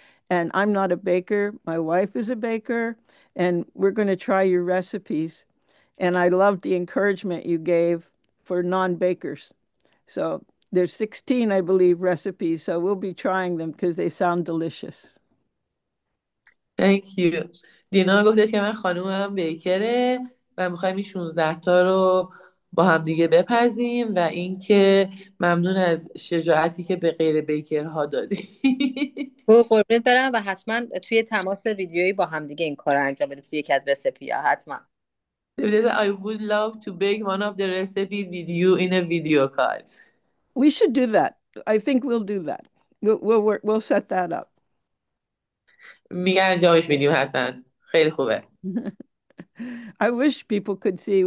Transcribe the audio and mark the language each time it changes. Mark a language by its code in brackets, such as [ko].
[en] And I'm not a baker. My wife is a baker, and we're going to try your recipes. And I love the encouragement you gave for non-bakers. So there's 16, I believe, recipes. So we'll be trying them because they sound delicious. Thank you. [fa] دینا گفتش که من خانومم بیکره و میخوایم این 16 تا رو با هم دیگه بپزیم و اینکه ممنون از شجاعتی که به غیر بیکرها دادی. و قربونت برم و حتما توی تماس ویدیویی با همدیگه این کار رو انجام بدیم توی یک از رسپی ها حتما. [en] I would love to bake one of the recipe with you in a video call. We should do that. I think we'll do that. We'll set that up. [fa] میگن انجامش میدیم حتما. خیلی خوبه. [en] I wish people could see.